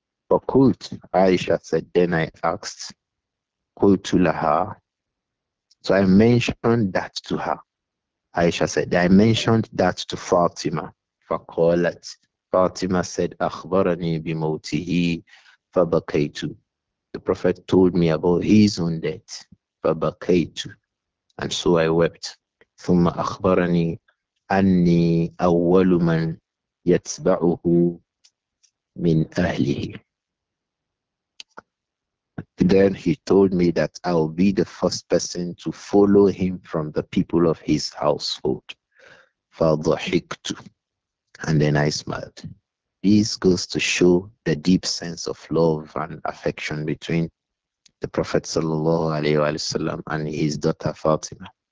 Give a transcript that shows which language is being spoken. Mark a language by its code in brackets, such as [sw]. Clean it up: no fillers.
[ar] فَقُلْتْ, [en] Aisha said, then I asked, [ar] قُلْتُ لَهَا, [en] so I mentioned that to her. Aisha said, I mentioned that to Fatima. [ar] فَقَالَتْ, [en] Fatima said, [ar] أَخْبَرَنِي بِمَوْتِهِ فَبَكَيْتُ, [en] the Prophet told me about his own death, [ar] فَبَكَيْتُ, [en] and so I wept. [ar] ثم أخبرني أني أول من يتبعه من أهله. [en] Then he told me that I'll be the first person to follow him from the people of his household. [ar] فضحكت. [en] And then I smiled. This goes to show the deep sense of love and affection between the Prophet sallallahu alayhi wa sallam and his daughter Fatima.